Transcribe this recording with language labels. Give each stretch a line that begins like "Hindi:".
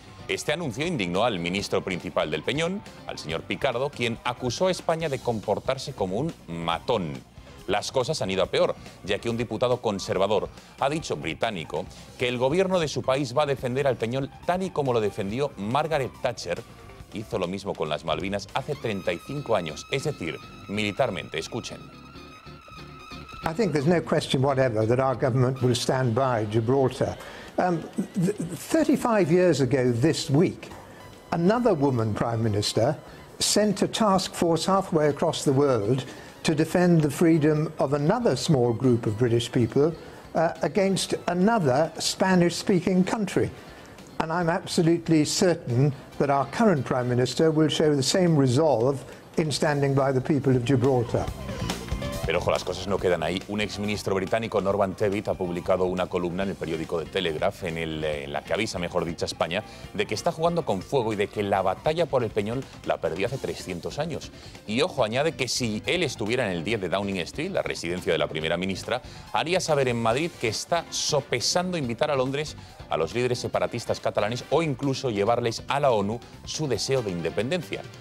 Spanish: Este anuncio indignó al ministro principal del Peñón, al señor Picardo, quien acusó a España de comportarse como un matón. Las cosas han ido a peor, ya que un diputado conservador ha dicho, británico, que el gobierno de su país va a defender al Peñol tal y como lo defendió Margaret Thatcher. Hizo lo mismo con las Malvinas hace 35 años, es decir, militarmente. Escuchen.
English: I think there's no question whatever that our government will stand by Gibraltar. 35 years ago this week, another woman prime minister sent a task force halfway across the world to defend the freedom of another small group of British people against another Spanish-speaking country. And I'm absolutely certain that our current Prime Minister will show the same resolve in standing by the people of Gibraltar.
Spanish: Pero ojo, las cosas no quedan ahí. Un exministro británico, Norman Tebbit, ha publicado una columna en el periódico The Telegraph en la que avisa, mejor dicho, España de que está jugando con fuego y de que la batalla por el Peñol la perdió hace 300 años. Y ojo, añade que si él estuviera en el 10 de Downing Street, la residencia de la primera ministra, haría saber en Madrid que está sopesando invitar a Londres a los líderes separatistas catalanes o incluso llevarles a la ONU su deseo de independencia.